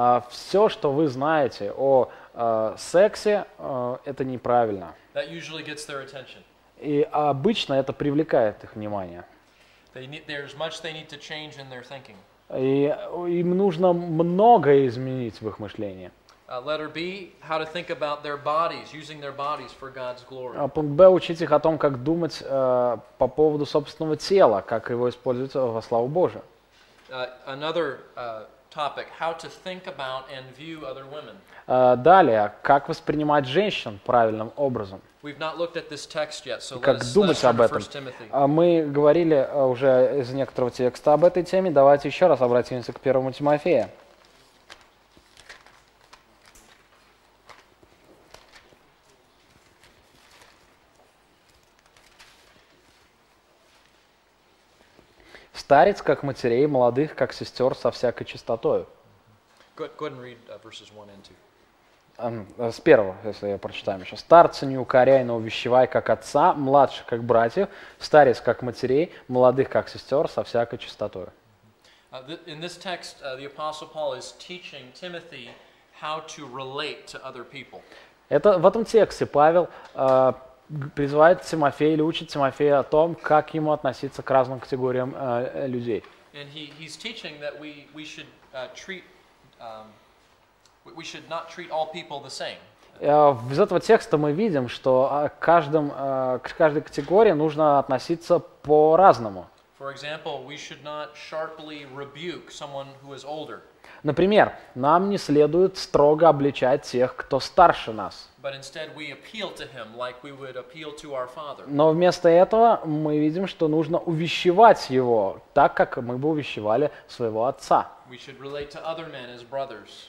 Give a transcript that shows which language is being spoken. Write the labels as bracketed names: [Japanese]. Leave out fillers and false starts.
[Russian] Все, что вы знаете о сексе, это неправильно. [English] That usually gets their attention. [Russian] И обычно это привлекает их внимание. [English] There's much they need to change in their thinking. [Russian] И им нужно многое изменить в их мышлении. [English] Letter B, how to think about their bodies, using their bodies for God's glory. [Russian] Пункт Б, учить их о том, как думать по поводу собственного тела, как его использовать во славу Божию. [English] Another topic, how to think about and view other women. [Russian] Далее, как воспринимать женщин правильным образом. [English] We've not looked at this text yet, so [Russian] как думать об этом. Мы говорили уже из некоторого текста об этой теме, давайте еще раз обратимся к 1 Тимофею. Старец, как матерей, молодых, как сестер, со всякой чистотою. С первого, если я прочитаю еще. Старца не укоряй, но увещевай, как отца, младших, как братьев, старец, как матерей, молодых, как сестер, со всякой чистотою. [English] In this text, the Apostle Paul is teaching Timothy how to relate to other people. [Russian] Это в этом тексте Павел призывает Тимофея или учит Тимофея о том, как ему относиться к разным категориям людей. [English] And he's teaching that we should treat we should not treat all people the same. [Russian] Из этого текста мы видим, что к каждой категории нужно относиться по-разному. [English] For example, we should not sharply rebuke someone who is older. [Russian] Например, нам не следует строго обличать тех, кто старше нас. [English] But instead we appeal to him like we would appeal to our father. [Russian] Но вместо этого мы видим, что нужно увещевать его, так как мы бы увещевали своего отца. [English] We should relate to other men as brothers.